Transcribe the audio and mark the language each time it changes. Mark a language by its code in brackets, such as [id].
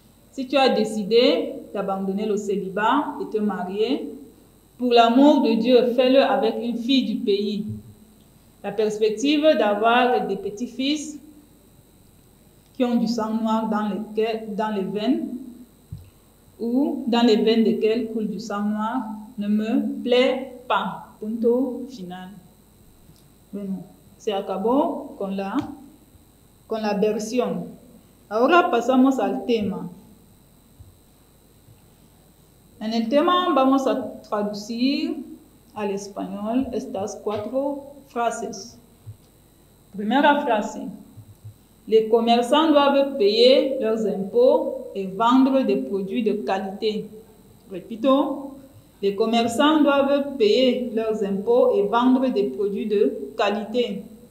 [fr] Si tu as décidé d'abandonner le célibat et te marier, pour l'amour de Dieu, fais-le avec une fille du pays. La perspective d'avoir des petits-fils qui ont du sang noir dans les veines desquelles coule du sang noir ne me plaît pas. [es] Punto final. Bueno, se acabó con la versión. Ahora pasamos al tema. En el tema vamos a traducir al español estas cuatro frases. Primera frase. [fr] Les commerçants doivent payer leurs impôts et vendre des produits de qualité. [es] Repito. [fr] Les commerçants doivent payer leurs impôts et vendre des produits de qualité.